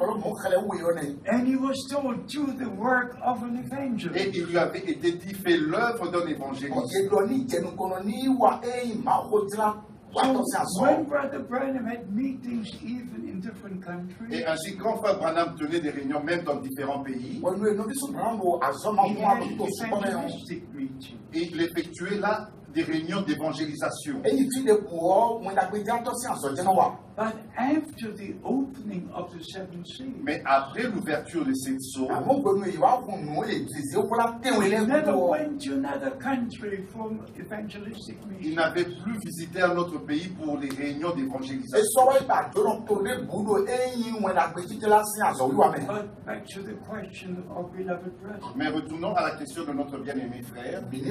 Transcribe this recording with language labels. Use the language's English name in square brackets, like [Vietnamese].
[English] And he was told, do the work of an evangelist. [French] Et il lui avait été dit, fais l'œuvre d'un évangéliste. [English] So, when Brother Branham had meetings even in different countries, [French] et ainsi quand Frère Branham tenait des réunions même dans différents pays, [English] he had evangelistic meetings. [French] Il effectuait là des réunions d'évangélisation. [English] But after the opening of the seven seas, [French] mais après l'ouverture de cette zone, [English] we never went to another country for evangelistic meetings. [French] Il n'avait plus visité un autre pays pour les réunions d'évangélisation. [English] But back to the question of beloved brothers. [French] Mais retournons à la question de notre bien-aimé frère.